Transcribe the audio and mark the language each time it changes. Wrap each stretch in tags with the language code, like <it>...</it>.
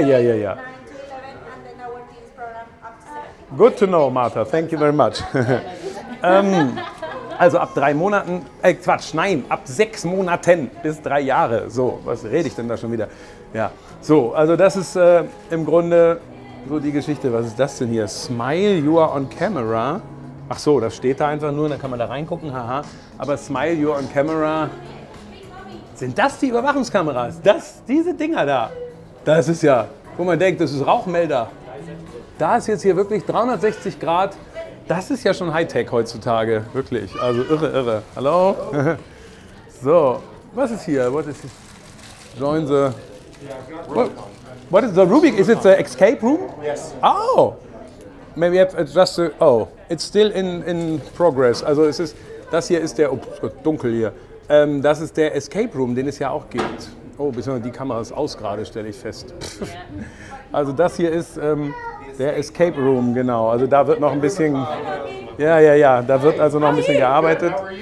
<en>9 to 11, and then our teens program up to 17. Good to know, Martha. Thank you very much.</en> <de>Also ab 3 Monaten, Quatsch, nein, ab 6 Monaten bis 3 Jahre. So, was rede ich denn da schon wieder? Ja, so, also das ist im Grunde so die Geschichte. Was ist das denn hier?</de> <en>Smile, you are on camera.</en> <de>Ach so, das steht da einfach nur, dann kann man da reingucken, haha. Aber</de> <en>Smile, you're on camera.</en> <de>Sind das die Überwachungskameras? Das, diese Dinger da. Das ist ja, wo man denkt, das ist Rauchmelder. Da ist jetzt hier wirklich 360 Grad. Das ist ja schon Hightech heutzutage, wirklich. Also irre, irre. Hallo? So, was ist hier?</de> <en>What is this? Join the... What is the Rubik? Is it the escape room? Yes. Oh! Maybe we have just a, oh, it's still in progress.</en> <de>Also es ist, das hier ist der, ups, dunkel hier. Das ist der Escape Room, den es ja auch gibt. Oh, beziehungsweise die Kamera ist aus gerade, stelle ich fest. Also das hier ist der Escape Room, genau. Also da wird noch ein bisschen, ja, da wird also noch ein bisschen gearbeitet.</de>